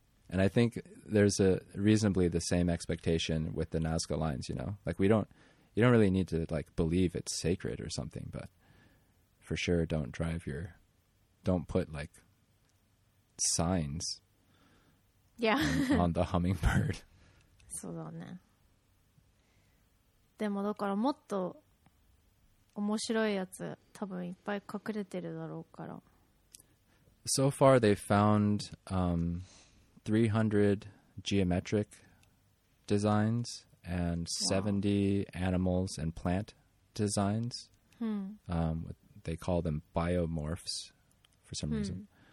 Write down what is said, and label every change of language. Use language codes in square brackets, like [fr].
[en] And I think there's a reasonably the same expectation with the Nazca lines, you know. Like, we don't, you don't really need to, like, believe it's sacred or something, but for sure don't drive your, don't put, like, signs on the hummingbird. [ja] そうだね。でもだからもっと面白いやつ多分いっぱい隠れてるだろうから。 [en] So far they've found 300 geometric designs and 70 animals and plant designs. What they call them biomorphs for some reason.